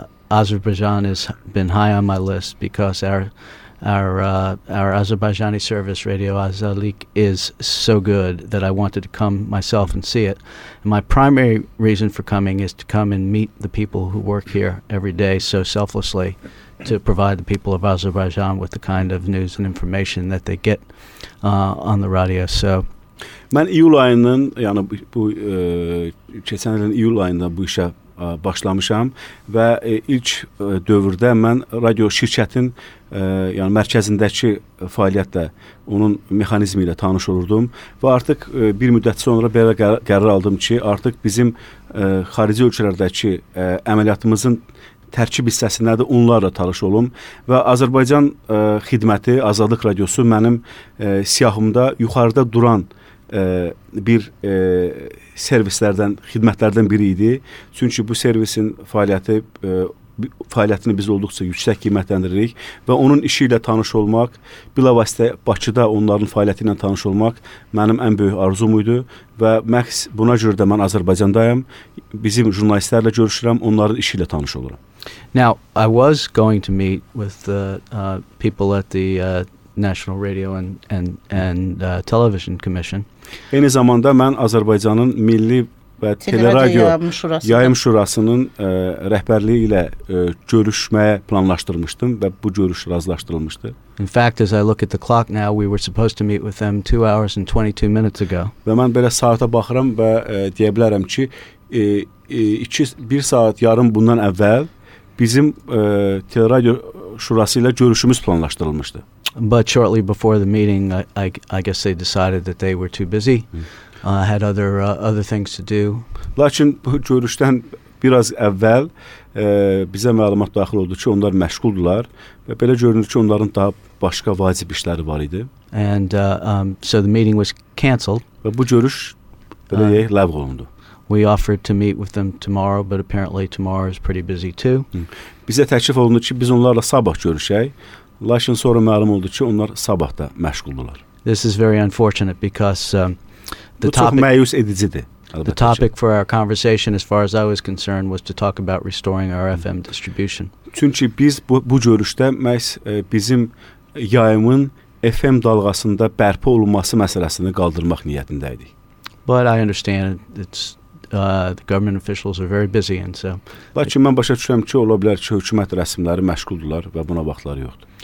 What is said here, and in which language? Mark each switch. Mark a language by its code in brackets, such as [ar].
[en] Azerbaijan has been high on my list because our Azerbaijani service radio Azadlıq is so good that I wanted to come myself and see it. And my primary reason for coming is to come and meet the people who work here every day so selflessly to provide the people of Azerbaijan with the kind of news and information that they get on the radio. So [az] mən iyul ayının yani bu keçən ilin iyul ayında bu işə başlamışam və ilk dövrdə mən radio şirkətin yəni mərkəzindəki fəaliyyətlə onun mexanizmi ilə tanış olurdum və artıq bir müddət sonra belə qərar aldım ki, artıq bizim xarici ölkələrdəki əməliyyatımızın tərkib hissəsində onlarla tanış olum və Azərbaycan xidməti, Azadlıq Radiosu mənim siyahımda yuxarıda duran bir servislərdən, xidmətlərdən biri idi. Çünki bu servisin fəaliyyətini biz olduqca yüksək qiymətləndiririk və onun işi ilə tanış olmaq, bilavasitə Bakıda onların fəaliyyəti ilə tanış olmaq mənim ən böyük arzum idi və məhz buna görə də mən Azərbaycandayam, bizim jurnalistlərlə görüşürəm, onların işi ilə tanış olurum. [en] Now, I was going to meet with the people at the National Radio and Television Commission. [az] Eyni zamanda mən Azərbaycanın Milli və Teleradio Yayım Şurasının rəhbərliyi ilə görüşməyə planlaşdırmışdım və bu görüş razılaşdırılmışdı. [en] In fact, as I look at the clock now, we were supposed to meet with them 2 hours and 22 minutes ago. [az] Və mən belə saata baxıram və deyə bilərəm ki, 1 saat yarım bundan əvvəl bizim Teleradio Şurası ilə görüşümüz planlaşdırılmışdı. [en] But shortly before the meeting, I guess they decided that they were too busy, had other things to do. [az] Lakin bu görüşdən biraz əvvəl bizə məlumat daxil oldu ki, onlar məşğuldular və belə görünür ki, onların daha başqa vacib işləri var idi. [en] And so the meeting was cancelled. [az] Və bu görüş belə deyək, ləğv olundu. [en] We offered to meet with them tomorrow, but apparently tomorrow is pretty busy too. [az] Bizə təklif olundu ki, biz onlarla sabah görüşək. Lakin sonra məlum oldu ki, onlar sabah da məşğuldular. [en] This is very unfortunate because the topic. [az] Bu çox məyus edicidir. [en] The topic for our conversation, as far as I was concerned, was to talk about restoring our FM distribution. [az] Çünki biz bu görüşdə məhz bizim yayımın FM dalğasında bərpa olunması məsələsini qaldırmaq niyyətində idik. [en] But I understand it's the government officials are very busy, and so. [az] Lakin mən başa düşürəm ki, ola bilər ki, hökumət rəsmiləri məşğuldurlar və buna vaxtları yoxdur.